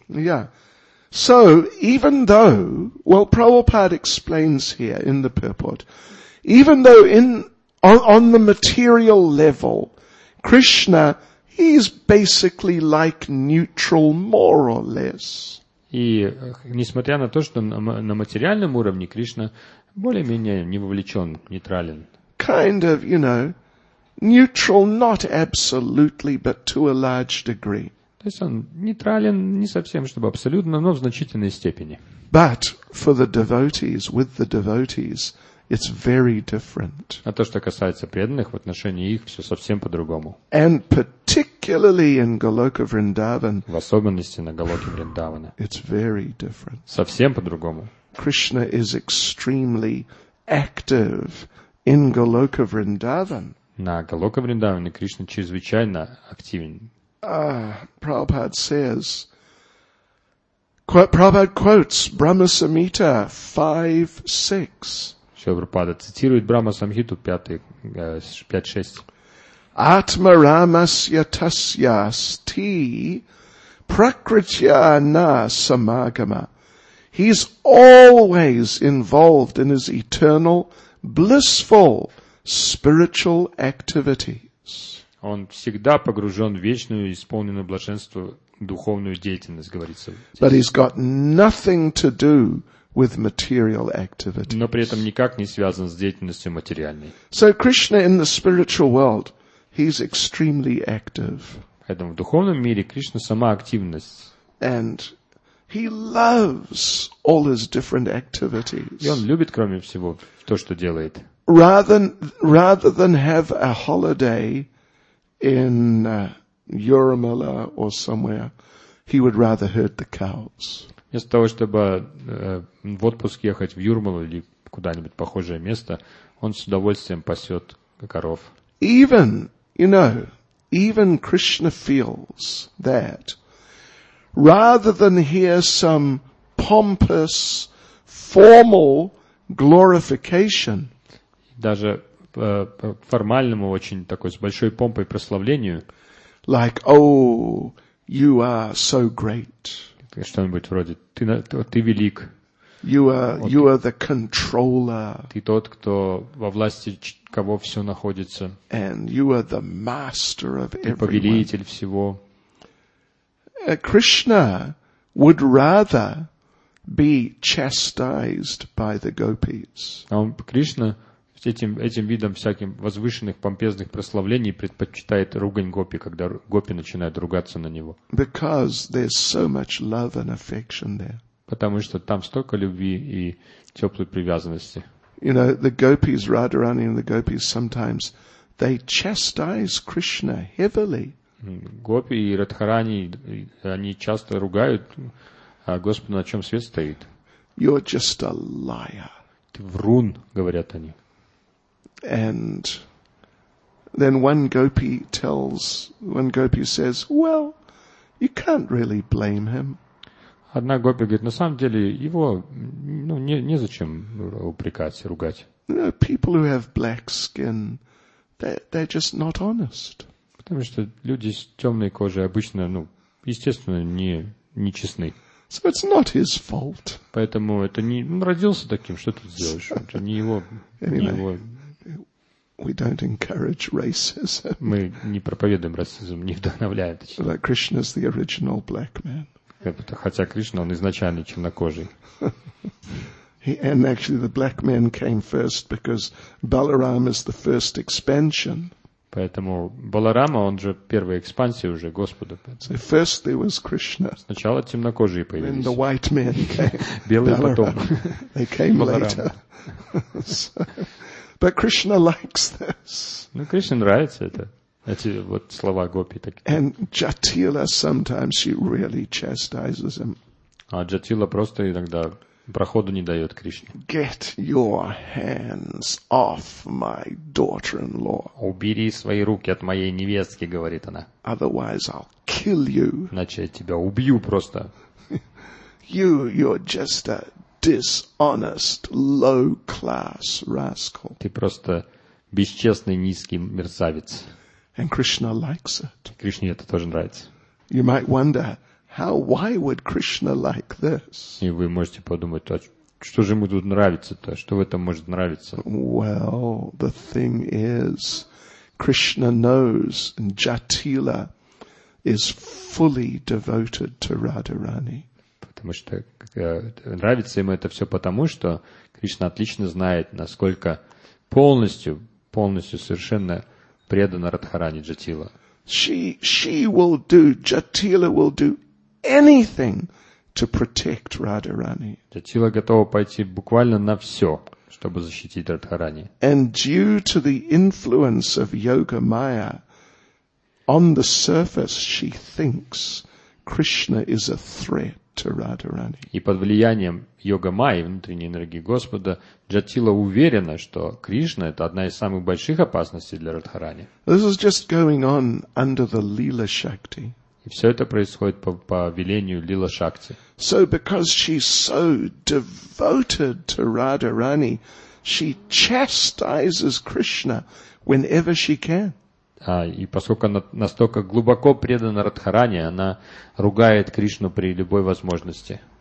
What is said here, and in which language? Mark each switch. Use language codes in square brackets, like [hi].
[en] Yeah. So, even though, well, Prabhupada explains here in the purport, even though in, on the material level, Krishna, he's basically like neutral, more or less. [ru] И несмотря на то, что на материальном уровне Кришна более-менее не вовлечен, нейтрален. [en] Kind of, you know, neutral, not absolutely, but to a large degree. [ru] То есть он нейтрален не совсем, чтобы абсолютно, но в значительной степени. [en] But for the devotees, with the devotees, it's very different. [ru] А то, что касается преданных, в отношении их все совсем по-другому. [en] And particularly in Goloka Vrindavan. [ru] В особенности на Голоке Вриндавана. [en] It's very different. [ru] Совсем по-другому. [en] Krishna is extremely active in Goloka Vrindavan. [ru] На Голоке Вриндаване Кришна чрезвычайно активен. [en] Prabhupada says, Prabhupada quotes Brahma Samhita 5.6. [ru] Шилпрапада цитирует Брахма Самхиту 5.6. [sa] Атма рамасья тасья сти пракритья на самагама. [en] He's always involved in his eternal, blissful spiritual activities. [ru] Он всегда погружен в вечную, исполненную блаженство, духовную деятельность, говорится. [en] But he's got nothing to do with material activities. [ru] Но при этом никак не связан с деятельностью материальной. [en] So Krishna in the spiritual world, he's extremely active. [ru] Поэтому в духовном мире Кришна сама активность. [en] And he loves all his different activities. [ru] И он любит, кроме всего, то, что делает. [en] Rather than have a holiday in Yurimala or somewhere, he would rather herd the cows. [ru] Вместо того, чтобы в отпуск ехать в Юрмалу или куда-нибудь похожее место, он с удовольствием пасет коров. [en] Even, you know, even Krishna feels that rather than hear some pompous, formal glorification, [ru] даже формальному очень такой с большой помпой прославлению, [en] like, oh, you are so great. [ru] Что-нибудь вроде ты велик. [en] You are the controller. [ru] Ты тот, кто во власти кого все находится. [en] And you are the master of everyone. [ru] Ты повелитель всего. [en] Krishna would rather be chastised by the gopis. [ru] А Кришна этим видом всяким возвышенных помпезных прославлений предпочитает ругань гопи, когда гопи начинают ругаться на него. [en] Because there's so much love and affection there. [ru] Потому что там столько любви и теплой привязанности. [en] You know, the gopis, Radharani and the gopis, sometimes they chastise Krishna heavily. [ru] Гопи и Радхарани, они часто ругают Господа, на чем свет стоит. [en] You're just a liar. [ru] Ты врун, говорят они. [en] And then one gopi says, well, you can't really blame him. [ru] Одна гопи говорит, на самом деле его ну, не, незачем упрекать, ругать. [en] People who have black skin, they're just not honest. [ru] Потому что люди с темной кожей обычно, ну, естественно, не честны. [en] So it's not his fault. [ru] Поэтому это не... Он родился таким, что ты сделаешь? Это не его... [en] Anyway, [ru] не его... [en] We don't encourage racism. [ru] Мы не проповедуем расизм, не вдохновляем. [en] But Krishna is the original black man. [ru] Хотя Кришна, он изначально чернокожий. [en] He, and actually the black man came first because Balaram is the first expansion. [ru] Поэтому Баларама, он же первая экспансия уже Господа. [en] So first there was Krishna. [ru] Сначала темнокожие появились. [en] Then the white man came. [ru] Белый Balaram. Потом. [en] They came later. So, but Krishna likes this. [ru] Ну, Кришне нравится это. Эти вот слова гопи такие. [en] And Jatila sometimes she really chastises him. [ru] А Jatila просто иногда проходу не дает Кришне. [en] Get your hands off my daughter-in-law. [ru] Убери свои руки от моей невестки, говорит она. [en] Otherwise I'll kill you. [ru] Иначе я тебя убью просто. [en] You're just a dishonest, low-class rascal. [ru] Ты просто бесчестный низкий мерзавец. [en] And Krishna likes it. [ru] Кришне это тоже нравится. [en] You might wonder, how, why would Krishna like this? [ru] И вы можете подумать, а что же ему тут нравится-то? Что в этом может нравиться? [en] Well, the thing is, Krishna knows Jatila is fully devoted to Radharani. [ru] Потому что нравится ему это все потому, что Кришна отлично знает, насколько полностью совершенно предана Радхарани Джатила. [en] She will do, Jatila will do anything to protect Radharani. [ru] Джатила готова пойти буквально на все, чтобы защитить Радхарани. [en] And due to the influence of Yoga Maya, on the surface she thinks Krishna is a threat to Radharani. [ru] И под влиянием Йога Майи, внутренней энергии Господа, Джатила уверена, что Кришна это одна из самых больших опасностей для Радхарани. [en] This is just going on under the Lila Shakti. [ru] И все это происходит по велению Лила Шакти. [en] So because she's so devoted to Radharani, she chastises Krishna whenever she can. [ru] И поскольку она настолько глубоко предана Радхарани, она ругает Кришну при любой возможности.